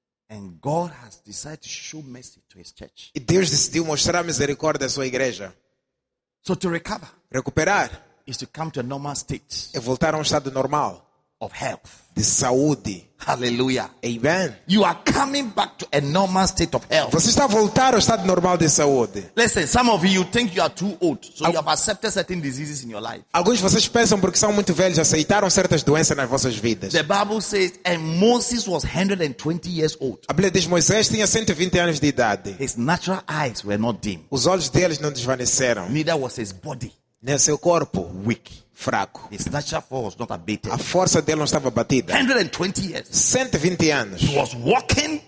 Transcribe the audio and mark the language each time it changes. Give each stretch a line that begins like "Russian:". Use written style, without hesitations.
English: And God has decided to show mercy to his church.
Portuguese: E Deus decidiu mostrar misericórdia à sua igreja.
English: So to recover,
Portuguese: recuperar,
English: is to come to a normal state.
Portuguese: É voltar a um estado normal
English: of health.
Portuguese: De saúde. Hallelujah. Amen.
English: You are coming back to a normal state of health.
Portuguese: Você está a voltar ao estado normal de saúde.
English: Listen, some of you think you are too old, so you have accepted certain diseases in your life.
Portuguese: Alguns de vocês pensam porque são muito velhos, aceitaram certas doenças nas vossas vidas.
English: The Bible says, and Moses was 120 years old.
Portuguese: A Bíblia diz Moisés tinha 120 anos de idade.
English: His natural eyes were not dim.
Portuguese: Os olhos deles não desvaneceram.
English: Neither was his body.
Portuguese: Nem seu corpo
English: weak.
Portuguese: Fraco.
English: His natural force not abated.
Portuguese: A força dele não estava abatida.
English: 120 years.
Portuguese: 120 anos.
English: He was walking.